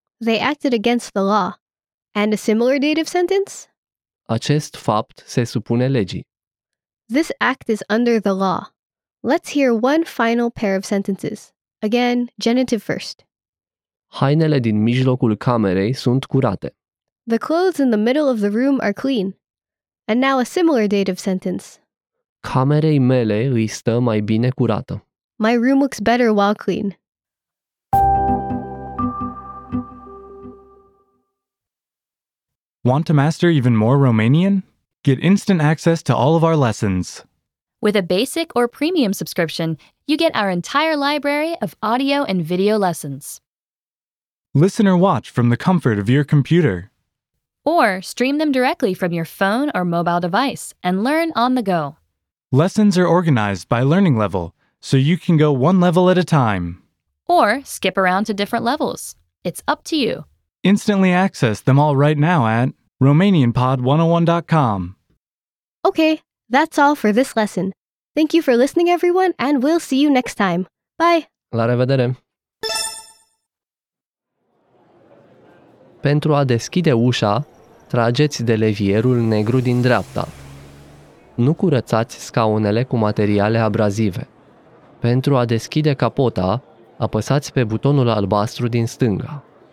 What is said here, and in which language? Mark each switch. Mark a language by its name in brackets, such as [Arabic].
[English] They acted against the law. And a similar dative sentence? [Romanian] Acest fapt se supune legii. [English] This act is under the law. Let's hear one final pair of sentences. Again, genitive first. [Romanian] Hainele din mijlocul camerei sunt curate. [English] The clothes in the middle of the room are clean. And now a similar dative sentence. [Romanian] Camerei mele îi stă mai bine curată. [English] My room looks better while clean. Want to master even more Romanian? Get instant access to all of our lessons. With a basic or premium subscription, you get our entire library of audio and video lessons. Listen or watch from the comfort of your computer. Or stream them directly from your phone or mobile device and learn on the go. Lessons are organized by learning level, so you can go one level at a time. Or skip around to different levels. It's up to you. Instantly access them all right now at RomanianPod101.com. Okay, that's all for this lesson. Thank you for listening, everyone, and we'll see you next time. Bye! [Romanian] La revedere! Pentru a deschide ușa, trageți de levierul negru din dreapta. Nu curățați scaunele cu materiale abrazive. Pentru a deschide capota, apăsați pe butonul albastru din stânga.